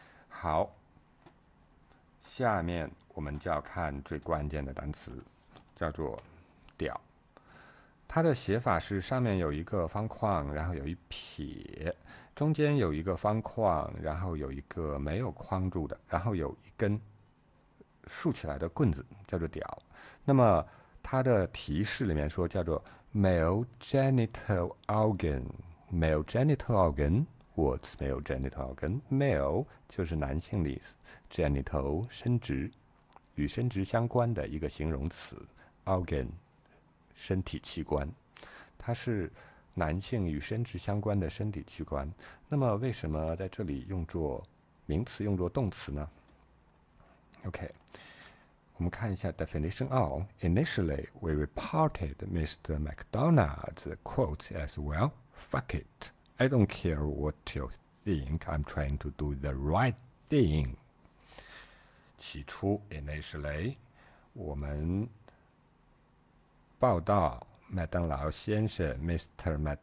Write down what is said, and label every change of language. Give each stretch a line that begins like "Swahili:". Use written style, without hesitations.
Chinese: 好，下面我们就要看最关键的单词，叫做屌。它的写法是上面有一个方框，然后有一撇，中间有一个方框，然后有一个没有框住的，然后有一根竖起来的棍子，叫做屌。那么它的提示里面说叫做
English: male genital organ， male genital organ。 What's male genital organ？
Chinese: Male 就是男性的意思， genital 生殖，与生殖相关的一个形容词， organ 身体器官，它是男性与生殖相关的身体器官。那么为什么在这里用作名词，用作动词呢？
English: OK，
Chinese: 我们看一下
English: definition of。 Initially we reported Mr. McDonald's quote as well. Fuck itI don't care what you think. I'm trying to do the right thing.
Chinese: 起初 ，initially， 我们报道麦当劳先生 ，Mr.